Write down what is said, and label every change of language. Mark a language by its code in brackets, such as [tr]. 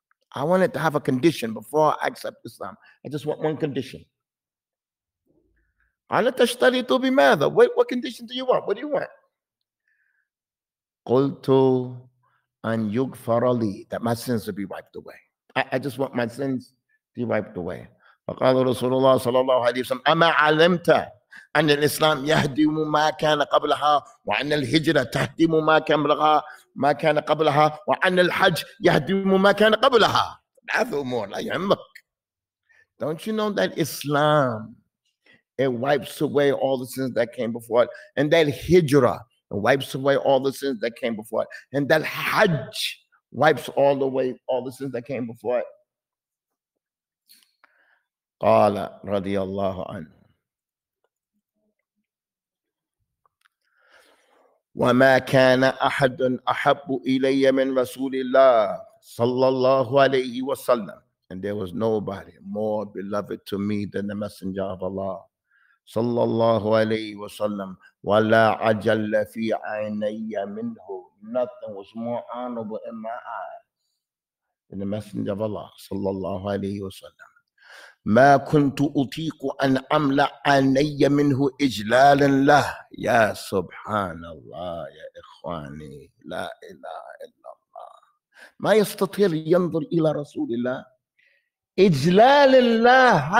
[en] I wanted to have a condition before I accept Islam. I just want one condition. [ar] قَالَ تَشْتَرِقْتُ بِمَاذَا. [en] What condition do you want? What do you want? [ar] قُلْتُ أَنْ يُغْفَرَ لِي. [en] That my sins will be wiped away. I just want my sins to be wiped away. [ar] فَقَالَ رَسُولُ اللَّهِ صَلَى اللَّهُ عَلَيْهِ وَسَلَّمَ أَمَا عَلَمْتَ أن الإسلام يهدم ما كان قبلها وأن الهجرة تهدم ما كان قبلها ما كان قبلها وأن الحج يهدم ما كان قبلها. هذا أمور لا يهمك. [en] Don't you know that Islam it wipes away all the sins that came before it, and that الهجرة wipes away all the sins that came before it, and that الحج wipes all the way all the sins that came before it. [ar] قال رضي الله عنه وما كان احد احب الي من رسول الله صلى الله عليه وسلم. [en] And there was nobody more beloved to me than the messenger of Allah صلى الله عليه وسلم [ar] ولا عجل في عيني منه. [en] Nothing was more honorable in my eyes than the messenger of Allah صلى الله عليه وسلم. [ar] ما كنت اطيق ان املا عيني منه اجلالا له. يا سبحان الله يا اخواني لا اله الا الله. ما يستطيع ينظر الى رسول الله اجلال الله.